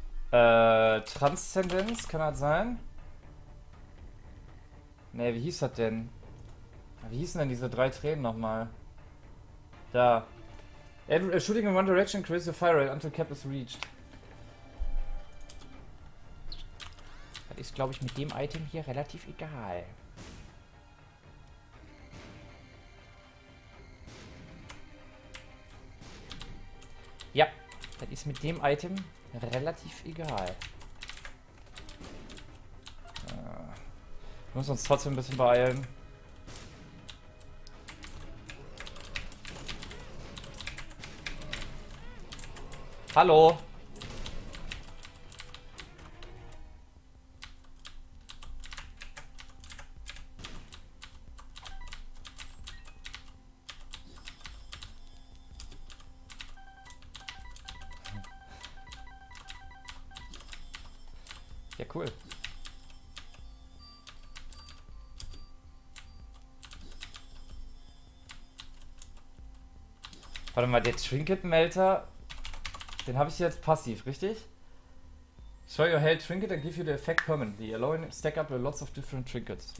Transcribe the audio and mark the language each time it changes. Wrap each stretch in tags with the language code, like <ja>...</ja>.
<de>Transzendenz kann das sein? Nee, wie hieß das denn? Wie hießen denn diese drei Tränen nochmal? Da.</de> <en>Shooting in one direction creates your fire rate until cap is reached.</en> <de>Das ist, glaube ich, mit dem Item hier relativ egal. Ja, das ist mit dem Item relativ egal. Wir müssen uns trotzdem ein bisschen beeilen. Hallo. Ja, cool. Warte mal, der Trinket-Melter. Den habe ich jetzt passiv, richtig?</de> <en>Show your health trinket and give you the effect permanently. Allowing stack up lots of different trinkets.</en>